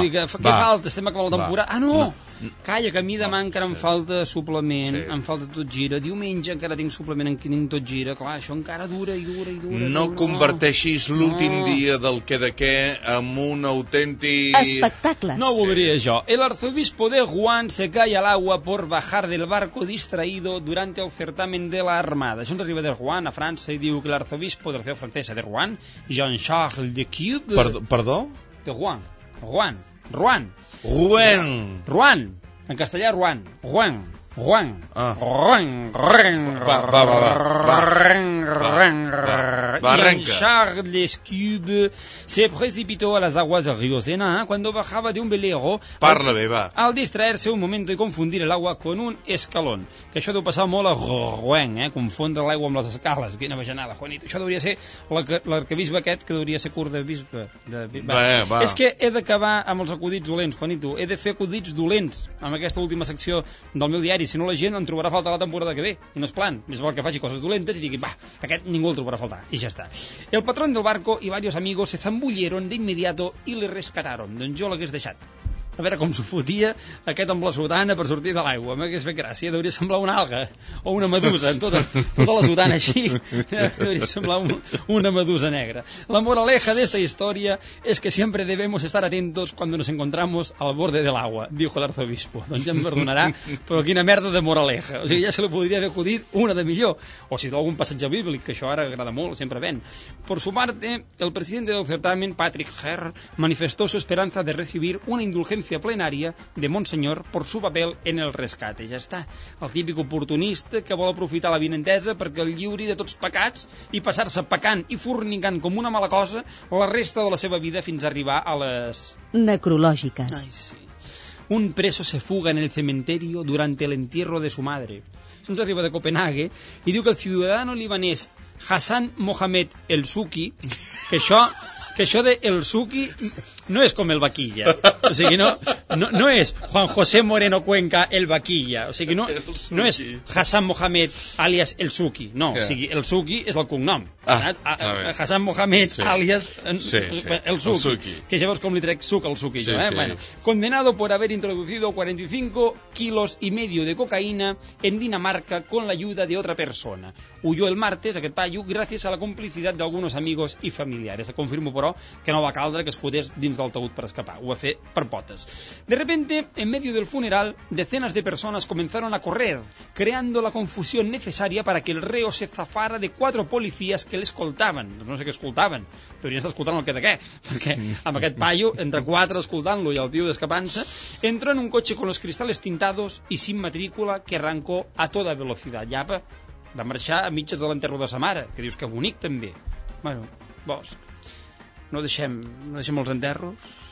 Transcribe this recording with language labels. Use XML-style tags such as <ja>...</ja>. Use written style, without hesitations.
<ca>Que, va, què falta? Estem acabant la temporada? Ah, no. Calla, que a mi demà encara em falta suplement, em falta tot gira. Diumenge encara tinc suplement en què tinc tot gira. Clar, això encara dura i dura i dura. No converteixis l'últim dia del que de què en un autèntic... espectacle. No voldria jo.</ca> <es>El arzobispo de Juan se cae al agua por bajar del barco distraído durante el certamen de la Armada.</es> <ca>Això ens arriba de Juan a França i diu que l'arzobispo de la ciutat francesa de Juan, Jean-Charles de Cube... Perdó? De Juan. Juan. Juan. Juan. Juan. En castellà, Juan. Juan. Juan. Juan. Ren. Va, va, va. Ren. Ren. Va, arrenca.</ca> <es>I en Charles Cube se precipitó a las aguas del río Sena cuando bajaba de un velero...</es> <ca>Parla bé, va.</ca> <es>...al distraerse un momento y confundir el agua con un escalón.</es> <ca>Que això deu passar molt a Juan, confondre l'aigua amb les escales. Quina bajanada, Juanito. Això deuria ser l'arquebisbe aquest, que deuria ser curt de bisbe. Va. És que he d'acabar amb els acudits dolents, Juanito. He de fer acudits dolents amb aquesta última secció del meu diari. Si no, la gent en trobarà falta la temporada que ve. I no és plan. Més val que faci coses dolentes i digui, va, aquest ningú el trobarà faltar. I ja està.</ca> <es>El patrón del barco y varios amigos se zambulleron de inmediato y le rescataron.</es> <ca>Doncs jo l'hagués deixat. A veure com s'ho fotia aquest amb la sotana per sortir de l'aigua. M'hagués fet gràcia. Deuria semblar una alga o una medusa en tota la sotana així. Deuria semblar una medusa negra.</ca> <es>La moraleja d'esta història és que sempre debemos estar atentos cuando nos encontramos al borde del agua, dijo el arzobispo.</es> <ca>Doncs ja em perdonarà, però quina merda de moraleja. O sigui, ja se li podria haver acudit una de millor. O si d'algun passatge bíblic, que això ara agrada molt, sempre ven.</ca> <es>Por su parte, el presidente del certamen, Patrick Herr, manifestó su esperanza de recibir una indulgencia plenària de Monsenyor per su papel en el rescate.</es> <ca>Ja està. El típic oportunista que vol aprofitar la vinentesa perquè el lliuri de tots pecats i passar-se pecant i fornicant com una mala cosa la resta de la seva vida fins a arribar a les... necrològiques. Ai, sí.</ca> <es>Un preso se fuga en el cementerio durante el entierro de su madre.</es> <ca>Se'ns arriba de Copenhague i diu que</ca> <es>el ciudadano libanés</es> <ca>Hassan Mohamed El Suki, que això... que això de El Suki no és com El Vaquilla. O sigui, no és Juan José Moreno Cuenca El Vaquilla. O sigui, no és Hassan Mohamed alias El Suki. No, o sigui, El Suki és el cognom. Hassan Mohamed alias El Suki. Que ja veus com li trec suc al Suki.</ca> <es>Condenado por haber introducido 45 kilos y medio de cocaína en Dinamarca con la ayuda de otra persona. Huyó el martes,</es> <ca>aquest paio,</ca> <es>gracias a la complicidad de algunos amigos y familiares.</es> <ca>Confirmo, però, que no va caldre que es fotés dins del taüt per escapar. Ho va fer per potes.</ca> <es>De repente, en medio del funeral, decenas de personas comenzaron a correr, creando la confusión necesaria para que el reo se zafara de cuatro policías</es> <ca>que l'escoltaven. No sé què escoltaven. Deurien estar escoltant el que de què. Perquè amb aquest paio, entre quatre escoltant-lo i el tio d'escapant-se,</ca> <es>entró en un cotxe con los cristales tintados y sin matrícula que arrancó a toda velocidad.</es> <ca>Llapa, va marxar a mitges de l'enterro de sa mare, que dius que bonic, també. Bueno, vols... No deixem els enterros,</ca>